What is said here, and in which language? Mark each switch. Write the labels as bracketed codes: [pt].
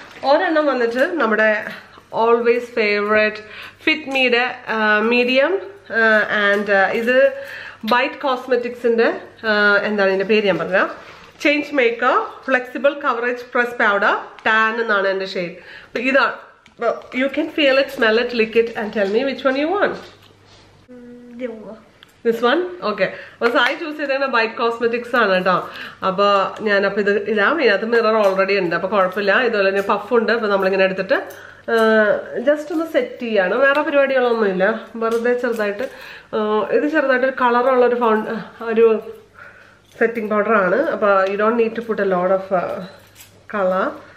[ml] ഒരെണ്ണം വന്നിട്ട് നമ്മുടെ always favourite fit മീയുടെ medium, and ഇത് ബൈറ്റ് കോസ്മെറ്റിക്സിന്റെ എന്താണ് ഇതിന്റെ പേര് ഞാൻ പറഞ്ഞ change maker flexible coverage press powder tan എന്നാണ് എന്റെ ഷെയ്ഡ്. ഇതാണ്. [en] You can feel it, smell it, lick it and tell me which one you want. This one? Okay. So I choose it in a bike cosmetics. [ml] അപ്പോൾ ഞാനപ്പോൾ ഇത് ഇടാം. ഇതിനകത്ത് mirror already ഉണ്ട്, അപ്പോൾ കുഴപ്പമില്ല. ഇതുപോലെ തന്നെ പഫ് ഉണ്ട്. അപ്പോൾ നമ്മളിങ്ങനെ എടുത്തിട്ട് ജസ്റ്റ് ഒന്ന് സെറ്റ് ചെയ്യാണ്. വേറെ പരിപാടികളൊന്നുമില്ല, വെറുതെ ചെറുതായിട്ട്. ഇത് ചെറുതായിട്ട് ഒരു കളറുള്ള ഒരു ഒരു സെറ്റിംഗ് പൗഡർ ആണ്. [en] അപ്പോൾ you don't need to put a lot of colour.